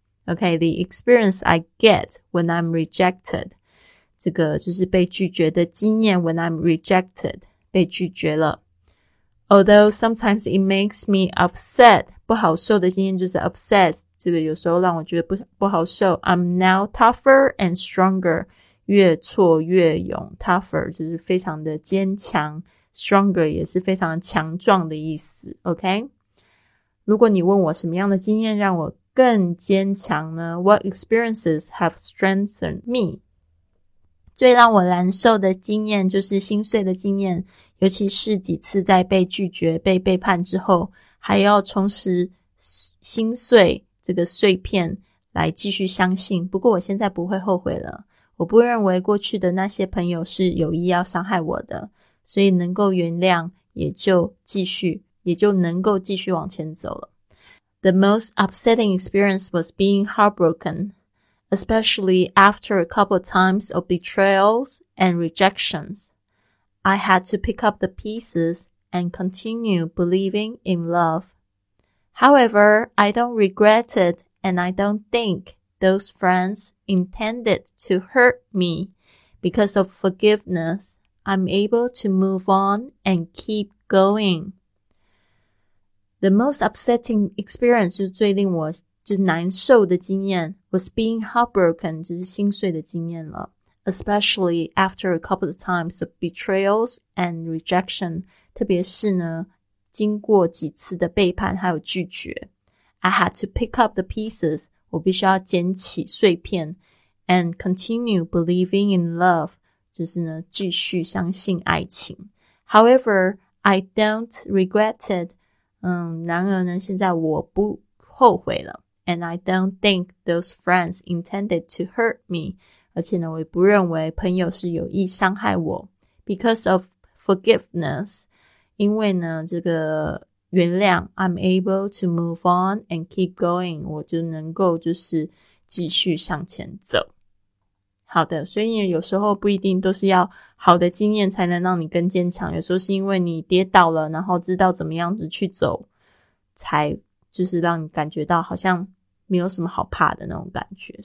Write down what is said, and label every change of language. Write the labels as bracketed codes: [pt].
[en] OK, the experience I get when I'm rejected. [zh] 这个就是被拒绝的经验， [en] when I'm rejected, [zh] 被拒绝了。 [en] Although sometimes it makes me upset, [zh] 不好受的经验就是 [en] upset, [zh] 这个有时候让我觉得不好受。 [en] I'm now tougher and stronger, [zh] 越挫越勇。 Tougher 就是非常的坚强， Stronger 也是非常强壮的意思。 OK, 如果你问我什么样的经验让我更坚强呢？ [en] What experiences have strengthened me? [zh] 最让我难受的经验就是心碎的经验，尤其是几次在被拒绝被背叛之后，还要重拾心碎这个碎片来继续相信。不过我现在不会后悔了，我不认为过去的那些朋友是有意要伤害我的，所以能够原谅也就能够继续往前走了。 [en] The most upsetting experience was being heartbroken, especially after a couple of times of betrayals and rejections. I had to pick up the pieces and continue believing in loveHowever, I don't regret it, and I don't think those friends intended to hurt me. Because of forgiveness, I'm able to move on and keep going. The most upsetting experience, [zh] 就是最令我就是难受的经验 [en] was being heartbroken, [zh] 就是心碎的经验了。 [en] Especially after a couple of times of betrayals and rejection, [zh] 特别是呢经过几次的背叛还有拒绝。 [en] I had to pick up the pieces, [zh] 我必须要捡起碎片。 [en] And continue believing in love, [zh] 就是呢继续相信爱情。 [en] However, I don't regret it, [zh] 然而呢现在我不后悔了。 [en] And I don't think those friends intended to hurt me. [zh] 而且呢，我也不认为朋友是有意伤害我。 [en] Because of forgiveness, [zh] 因为呢，这个原谅 [en] I'm able to move on and keep going. [zh] 我就能够就是继续向前走。好的，所以有时候不一定都是要好的经验才能让你更坚强，有时候是因为你跌倒了，然后知道怎么样子去走，才就是让你感觉到好像没有什么好怕的那种感觉。